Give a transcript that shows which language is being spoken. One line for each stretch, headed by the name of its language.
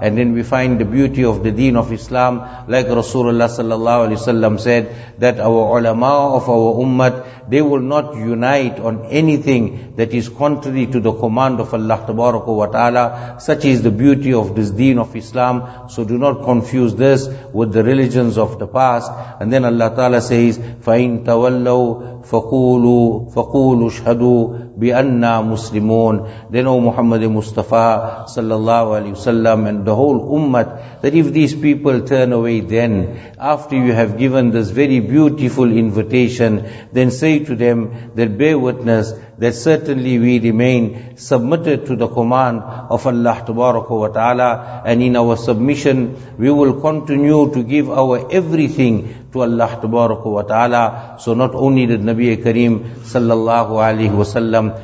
English: And then we find the beauty of the deen of Islam, like Rasulullah sallallahu alayhi wa sallam said, that our ulama of our ummah, they will not unite on anything that is contrary to the command of Allah tabaraka wa ta'ala. Such is the beauty of this deen of Islam. So do not confuse this with the religions of the past. And then Allah ta'ala says,
Arabic: فَإِن تَوَلَّوْا فَقُولُوا شَهَدُوا بِأَنَّا مُسْلِمُونَ.
English: Then O Muhammad Mustafa sallallahu alayhi wa sallam, and the whole ummah, that if these people turn away, then after you have given this very beautiful invitation, then say to them that bear witness that certainly we remain submitted to the command of Allah tabaraka wa ta'ala, and in our submission we will continue to give our everything to Allah tabaraka wa ta'ala. So not only did Nabi Kareem sallallahu alayhi wa sallam